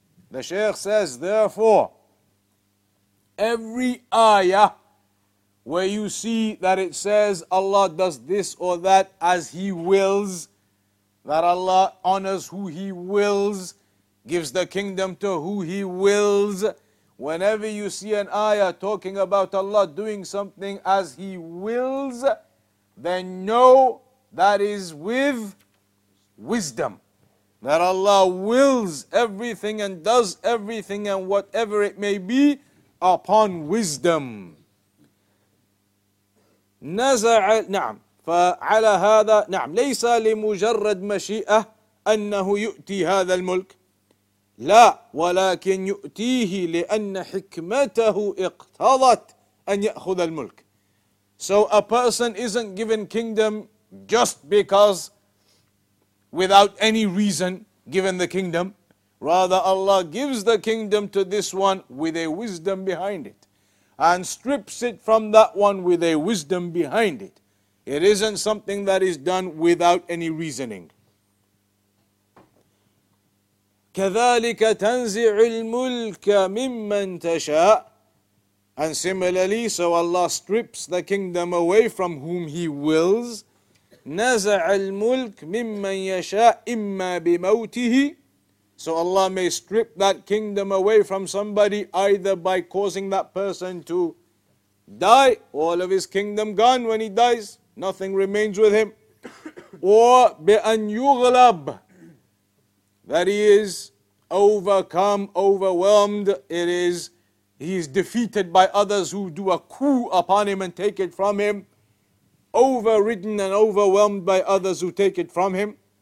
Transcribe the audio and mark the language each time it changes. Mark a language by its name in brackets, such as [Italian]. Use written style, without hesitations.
[English] The Shaykh says, therefore, every ayah where you see that it says Allah does this or that as He wills, that Allah honors who He wills, gives the kingdom to who He wills, whenever you see an ayah talking about Allah doing something as He wills, then know that is with wisdom. That Allah wills everything and does everything and whatever it may be upon wisdom. [Arabic] نَزَعَ نَعْمْ فَعَلَى هَذَا نَعْمْ لَيْسَ لِمُجَرَّدْ مَشِيئَةً أَنَّهُ يُؤْتِي هَذَا الْمُلْكِ لا ولكن يؤتيه لأن حكمته اقتضت أن يأخذ الملك. [English] So a person isn't given kingdom just because, without any reason, given the kingdom. Rather, Allah gives the kingdom to this one with a wisdom behind it, and strips it from that one with a wisdom behind it. It isn't something that is done without any reasoning. [Arabic] كذلك تنزع الملك ممن تشاء. [English] And similarly, so Allah strips the kingdom away from whom He wills. [Arabic] نزع الملك ممن يشاء إما بموته. [English] So Allah may strip that kingdom away from somebody either by causing that person to die, all of his kingdom gone when he dies, nothing remains with him. Or [Arabic] بأن يغلب. [English] That he is overcome, overwhelmed, he is defeated by others who do a coup upon him and take it from him, overridden and overwhelmed by others who take it from him.